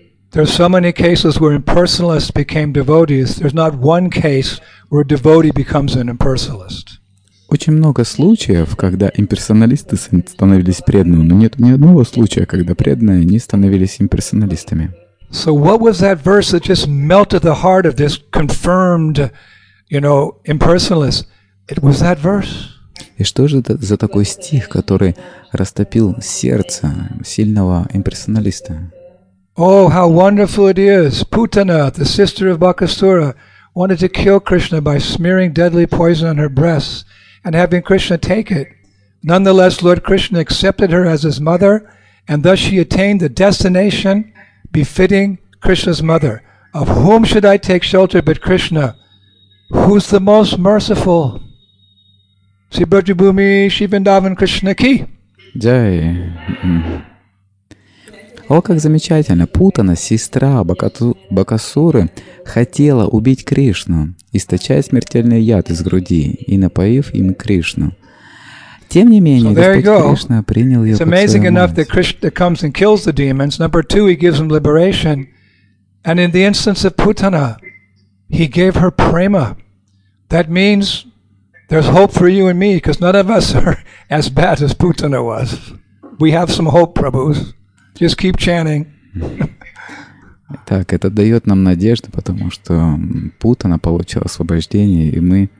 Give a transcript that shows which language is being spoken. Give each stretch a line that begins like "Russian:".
English: There's so many cases where impersonalists became devotees. There's not one case where a devotee becomes an impersonalist.
Russian: Очень много случаев, когда имперсоналисты становились преданными, но нет ни одного случая, когда преданные не становились имперсоналистами.
English: So what was that verse that just melted the heart of this confirmed, you know, impersonalist? It was that verse.
Russian: И что же это за такой стих, который растопил сердце сильного имперсоналиста?
English: Oh, how wonderful it is! Putana, the sister of Bakasura, wanted to kill Krishna by smearing deadly poison on her breasts and having Krishna take it. Nonetheless, Lord Krishna accepted her as his mother, and thus she attained the destination befitting Krishna's mother. Of whom should I take shelter but Krishna, who's the most merciful?
Hindi: Sri Brajabhumi Shivindavan Krishna ki.
Russian: Jai. О, как замечательно! Путана, сестра Бакасуры, хотела убить Кришну, источая смертельный яд из груди и напоив им Кришну. Тем не менее, Господь Кришна принял ее под свою мать.
English: It's amazing enough that Krishna comes and kills the demons. Number two, he gives them liberation. And in the instance of Putana, he gave her prema. That means there's hope for you and me, because none of us are as bad as Putana was. We have some hope, Prabhu. Just keep chanting.
Russian: Так, это дает нам надежду, потому что Путана получила освобождение, и мы...